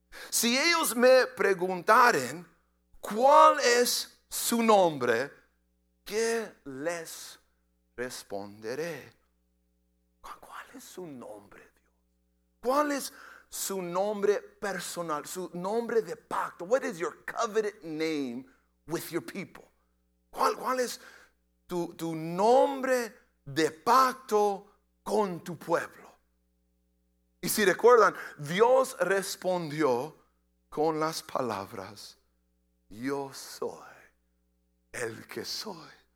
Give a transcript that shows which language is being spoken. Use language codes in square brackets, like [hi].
[es] Si ellos me preguntaren cuál es su nombre, ¿qué les responderé? ¿Cuál es su nombre, Dios? ¿Cuál es su nombre personal? Su nombre de pacto. [en] What is your covenant name with your people? [es] ¿Cuál es tu nombre de pacto con tu pueblo? Y si recuerdan, Dios respondió con las palabras: Yo soy el que soy.